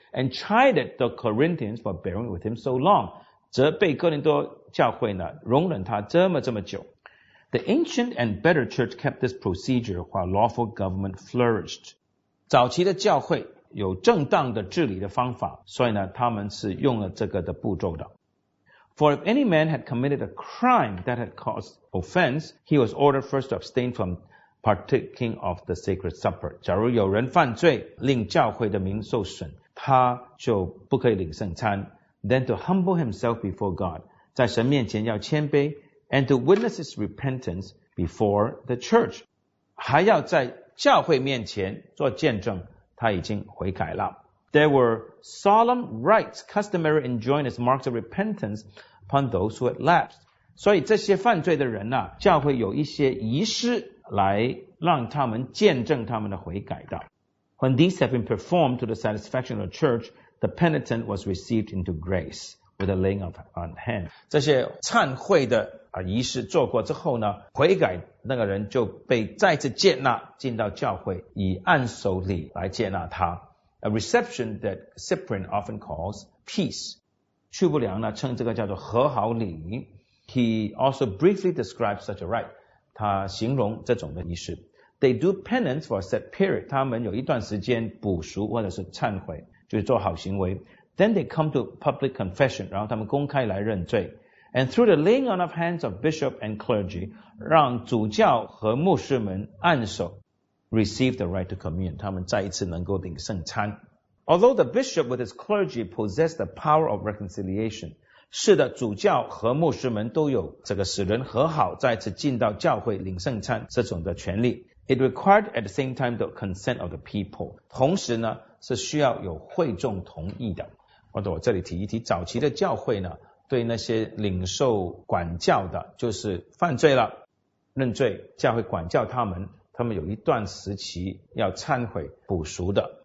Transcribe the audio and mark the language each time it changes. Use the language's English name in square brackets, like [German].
[English] And chided the Corinthians for bearing with him so long. [Chinese] 责备哥林多教会呢，容忍他这么久。 [English] The ancient and better church kept this procedure while lawful government flourished. [Chinese] 早期的教会有正当的治理的方法，所以呢，他们是用了这个的步骤的。 [English] For if any man had committed a crime that had caused offense, he was ordered first to abstain from partaking of the sacred supper. [Chinese] 假如有人犯罪，令教会的名受损，他就不可以领圣餐。 [English] Then to humble himself before God, [Chinese] 在神面前要谦卑 [English] ，and to witness his repentance before the church. [Chinese] 还要在教会面前做见证。他已经悔改了。 [English] There were solemn rites customary enjoined as marks of repentance upon those who had lapsed. [Chinese] 所以这些犯罪的人呢，教会有一些仪式来让他们见证他们的悔改的。 [English] When these had been performed to the satisfaction of the church, the penitent was received into grace with the laying of on hand. [Chinese] 这些忏悔的仪式做过之后呢，悔改那个人就被再次接纳进到教会，以按手礼来接纳他。 [English] A reception that Cyprian often calls peace. [Chinese] 屈不良呢称这个叫做和好礼。 [English] He also briefly describes such a rite. [Chinese] 他形容这种的仪式。 [English] They do penance for a set period. [Chinese] 他们有一段时间补赎或者是忏悔，就是做好行为。 [English] Then they come to public confession. [Chinese] 然后他们公开来认罪。 [English] And through the laying on of hands of bishop and clergy, [Chinese] 让主教和牧师们按手 [English] receive the right to commune. [Chinese] 他们再一次能够领圣餐。 [English] Although the bishop with his clergy possess the power of reconciliation, [Chinese] 是的，主教和牧师们都有这个使人和好，再次进到教会领圣餐这种的权利。 [English] It required at the same time the consent of the people. [Chinese] 同时呢，是需要有会众同意的。或者我这里提一提，早期的教会呢，对那些领受管教的，就是犯罪了，认罪，教会管教他们，他们有一段时期要忏悔补赎的。